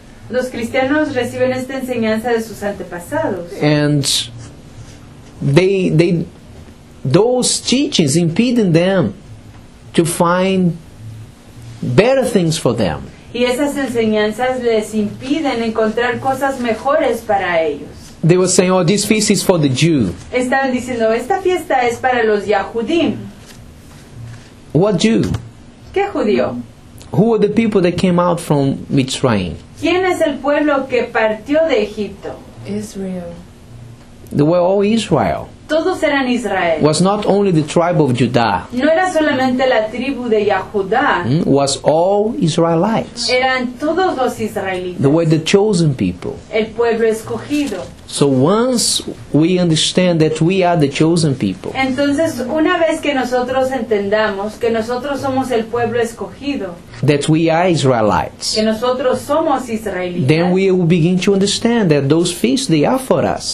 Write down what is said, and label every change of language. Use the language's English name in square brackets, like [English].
[Spanish] Los cristianos reciben esta enseñanza de sus antepasados. [English] And they those teachings impeding them to find better things for them. [Spanish] Y esas enseñanzas les impiden encontrar cosas mejores para ellos. [English] They were saying, "Oh, this feast is for the Jew." [Spanish] Estaban diciendo, esta fiesta es para los Yahudim. [English] What Jew? [Spanish] ¿Qué judío? [English] Who are the people that came out from Mitzrayim? [Spanish] ¿Quién es el pueblo que partió de Egipto? [English] Israel. They were all Israel. [Spanish] Todos eran Israel. [English] Was not only the tribe of Judah. [Spanish] No era solamente la tribu de Yahudá. [English] Was all Israelites. [Spanish] Eran todos los israelitas. [English] They were the chosen people. [Spanish] El pueblo escogido. [English] So once we understand that we are the chosen people. [Spanish] Entonces, una vez que nosotros entendamos que nosotros somos el pueblo escogido. [English] That we are Israelites. [Spanish] Que nosotros somos israelitas. [English] Then we will begin to understand that those feasts, they are for us.